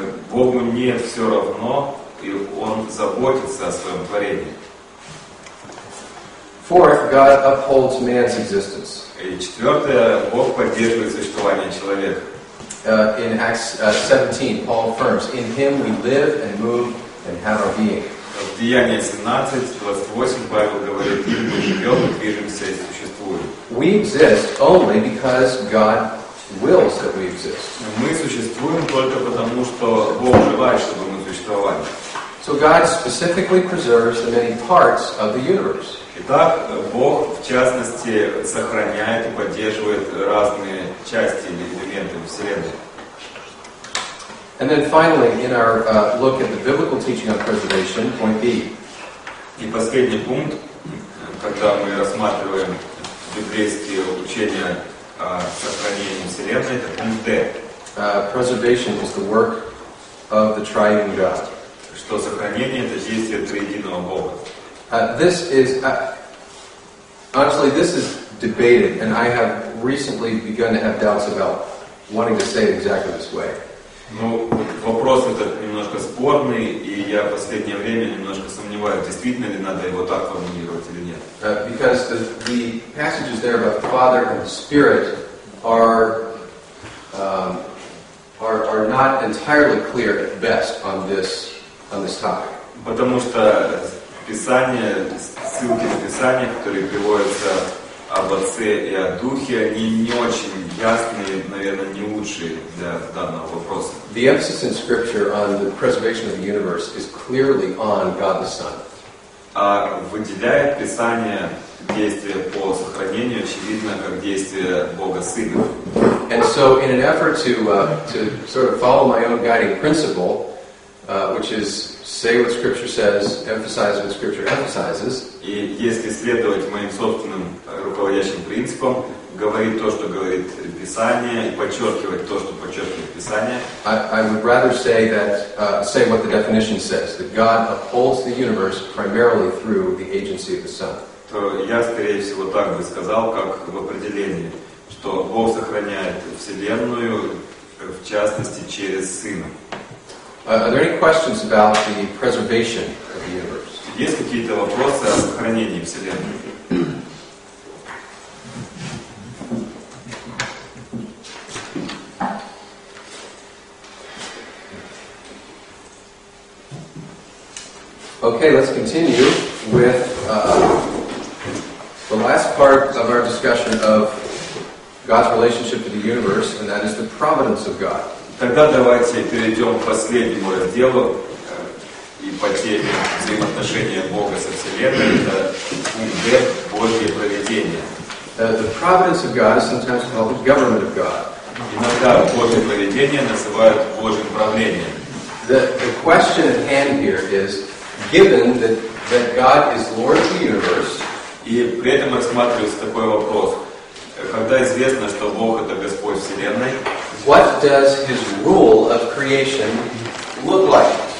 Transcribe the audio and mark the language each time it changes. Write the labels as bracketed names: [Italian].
[Russian] Богу не все равно, и он заботится о своем творении. [English] Fourth, God upholds man's existence. [Russian] И четвертое, Бог поддерживает существование человека. [English] In Acts 17, Paul affirms, in him we live and move and have our being. [Russian] В Деянии 17:28 Павел говорит, мы живем, движемся и существуем. [English] We exist only because God wills that we exist. [Russian] Мы существуем только потому, что Бог желает, чтобы мы существовали. [English] So God specifically preserves the many parts of the universe. [Russian] Итак, Бог в частности сохраняет и поддерживает разные части или элементы Вселенной. [English] And then finally, in our look at the biblical teaching on preservation, point B. [Russian] И последний пункт, когда мы рассматриваем библейские учения о сохранении Вселенной, это пункт D. [English] Preservation is the work of the Triune God. [Russian] Что сохранение — это действие Триединого Бога. [English] This is honestly, this is debated, and I have recently begun to have doubts about wanting to say it exactly this way. [Russian] Ну, вопрос этот немножко спорный, и я в последнее время немножко сомневаюсь, действительно ли надо его так формулировать или нет. [English] Because the passages there about the Father and the Spirit are not entirely clear at best on this topic. [Russian] Потому что писание, ссылки на писание, которые приводятся об Отце и о Духе, они не очень ясные, наверное, не лучшие для данного вопроса. [English] The emphasis in Scripture on the preservation of the universe is clearly on God the Son. [Russian] А выделяет Писание действие по сохранению, очевидно, как действие Бога Сына. [English] And so, in an effort to sort of follow my own guiding principle, which is say what Scripture says, emphasize what Scripture emphasizes. [Russian] И если следовать моим собственным руководящим принципам, говорить то, что говорит Писание, и подчеркивать то, что подчеркивает Писание. [English] I would rather say that say what the definition says, that God upholds the universe primarily through the agency of the Son. [Russian] То я скорее всего так бы сказал, как в определении, что Бог сохраняет вселенную в частности через Сына. [English] Are there any questions about the preservation of the universe? [Russian] Есть какие-то вопросы о сохранении вселенной? [English] Okay, let's continue with the last part of our discussion of God's relationship to the universe, and that is the providence of God. [Russian] Тогда давайте перейдем к последнему разделу и по теме взаимоотношения Бога со Вселенной, это пункт Божье проведение. [English] The providence of God is sometimes called the government of God. [Russian] Иногда Божье проведение называют Божьим правлением. [English] The question at hand here is, given that God is Lord of the universe, [Russian] и при этом рассматривается такой вопрос, когда известно, что Бог это Господь Вселенной, [English] what does his rule of creation look like?